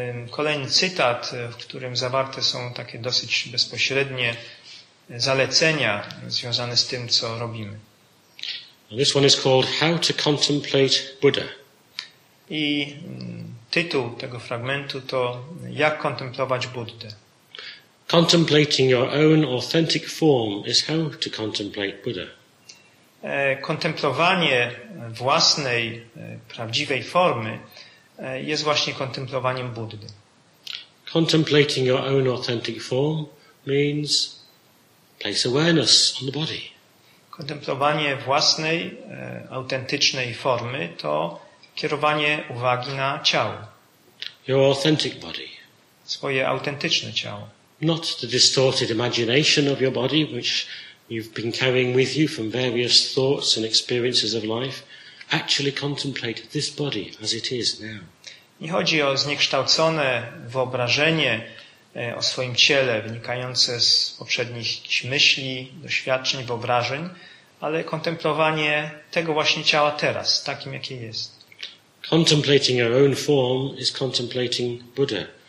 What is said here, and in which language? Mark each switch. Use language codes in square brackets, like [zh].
[pl] Kolejny cytat, w którym zawarte są takie dosyć bezpośrednie zalecenia związane z tym, co robimy. [en] And this one is called How to Contemplate Buddha. [pl] I tytuł tego fragmentu to Jak kontemplować Buddę. [en] Contemplating your own authentic form is how to contemplate Buddha. [pl] Kontemplowanie własnej, prawdziwej formy jest właśnie kontemplowaniem Buddy. [en] Contemplating your own authentic form means place awareness on the body. [pl] Kontemplowanie własnej, autentycznej formy to kierowanie uwagi na ciało. [en] Your authentic body. [pl] Swoje autentyczne ciało. [en] Not the distorted imagination of your body, which you've been carrying with you from various thoughts and experiences of life. Actually contemplate this body as it is now. [pl] Nie chodzi o zniekształcone wyobrażenie o swoim ciele wynikające z poprzednich myśli, doświadczeń, wyobrażeń, ale kontemplowanie tego właśnie ciała teraz, takim jakie jest. [en] Contemplating your own form is contemplating Buddha.